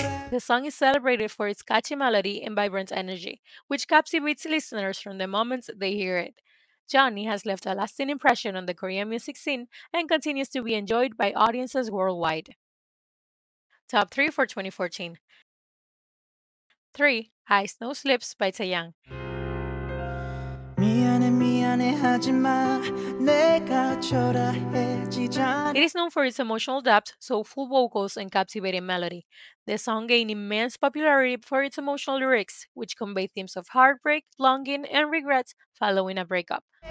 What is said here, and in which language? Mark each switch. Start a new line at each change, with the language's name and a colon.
English: The song is celebrated for its catchy melody and vibrant energy, which captivates listeners from the moment they hear it. Johnny has left a lasting impression on the Korean music scene and continues to be enjoyed by audiences worldwide. Top 3 for 2014. 3. High Snow Slips by Taeyang.
Korean: 미안해, 미안해, 하지마, 내가 초라해지잖아.
English: It is known for its emotional depth, soulful vocals, and captivating melody. The song gained immense popularity for its emotional lyrics, which convey themes of heartbreak, longing, and regret following a breakup.